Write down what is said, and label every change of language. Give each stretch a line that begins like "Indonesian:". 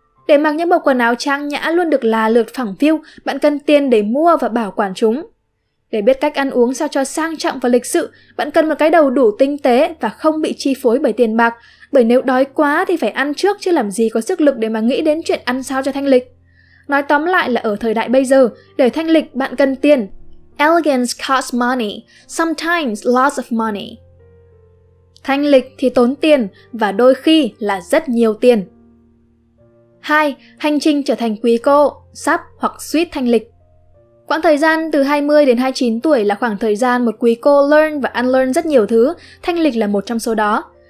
Vietnamese: Để mặc những bộ quần áo trang nhã luôn được là lượt phẳng phiu, bạn cần tiền để mua và bảo quản chúng. Để biết cách ăn uống sao cho sang trọng và lịch sự, bạn cần một cái đầu đủ tinh tế và không bị chi phối bởi tiền bạc, bởi nếu đói quá thì phải ăn trước chứ làm gì có sức lực để mà nghĩ đến chuyện ăn sao cho thanh lịch. Nói tóm lại là ở thời đại bây giờ, để thanh lịch bạn cần tiền.
English: Elegance costs money, sometimes lots of money.
Vietnamese: Thanh lịch thì tốn tiền và đôi khi là rất nhiều tiền. 2. Hành trình trở thành quý cô, sắp hoặc suýt thanh lịch. Quãng thời gian từ 20 đến 29 tuổi là khoảng thời gian một quý cô learn và unlearn rất nhiều thứ, thanh lịch là một trong số đó.